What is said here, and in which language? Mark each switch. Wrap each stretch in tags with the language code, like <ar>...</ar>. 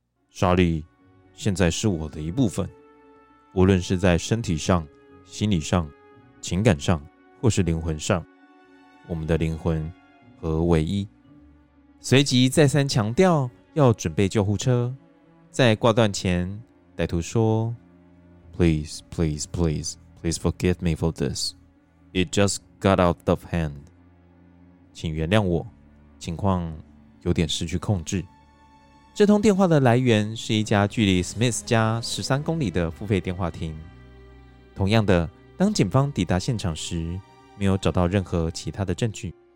<zh>莎莉现在是我的一部分，无论是在身体上、心理上、情感上或是灵魂上，我们的灵魂合为一。随即再三强调要准备救护车，在挂断前歹徒说，</zh> <en>Please, please, please, please forgive me for this. It just got out of hand.</en> <zh>请原谅我，情况有点失去控制。这通电话的来源是一家距离 Smith 家13公里的付费电话亭。同样的，当警方抵达现场时，没有找到任何其他的证据。</zh>